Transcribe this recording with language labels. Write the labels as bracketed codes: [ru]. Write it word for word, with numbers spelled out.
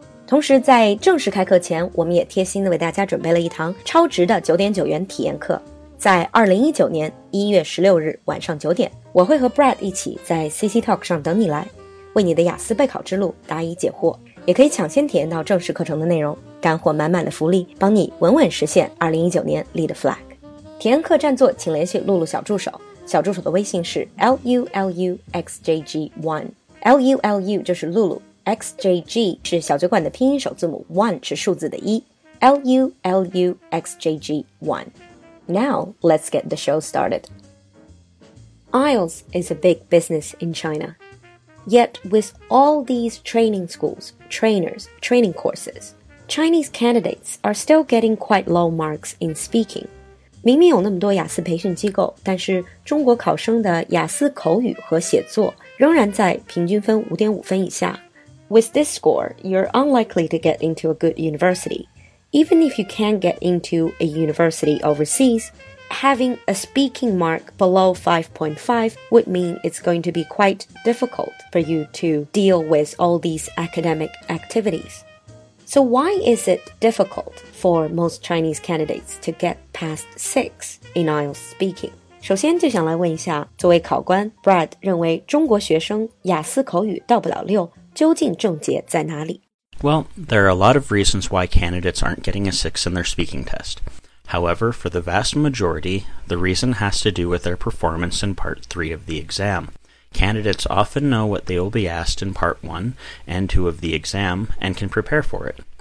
[zh] 同时在正式开课前，我们也贴心的为大家准备了一堂超值的 九点九元体验课。在二零一九年一月十六日晚上九点，我会和 Brad 一起在 C C Talk 上等你来，为你的雅思备考之路答疑解惑，也可以抢先体验到正式课程的内容，干货满满的福利，帮你稳稳实现二零一九年立的 flag。体验课占座请联系露露小助手，小助手的微信是 L U L U X J G 一， L U L U 就是露露， X J G 是小酒馆的拼音首字母，一是数字的一， L U L U X J G 一。 [en] Now let's get the show started. I E L T S is a big business in China. Yet with all these training schools, trainers, training courses, Chinese candidates are still getting quite low marks in speaking. [zh] 明明有那么多雅思培训机构，但是中国考生的雅思口语和写作仍然在平均分 五点五分以下。 [en] With this score, you're unlikely to get into a good university. Even if you can get into a university overseas,Having a speaking mark below five point five would mean it's going to be quite difficult for you to deal with all these academic activities. So why is it difficult for most Chinese candidates to get past six in I E L T S speaking? [zh] 首先就想来问一下，作为考官 Brad 认为中国学生雅思口语到不了六，究竟症结在哪里？ [en] Well, there are a lot of reasons why candidates aren't getting a six in their speaking test. However, for the vast majority, the reason has to do with their performance in Part three of the exam. Candidates often know what they will be asked in Part one and two of the exam and can prepare for it.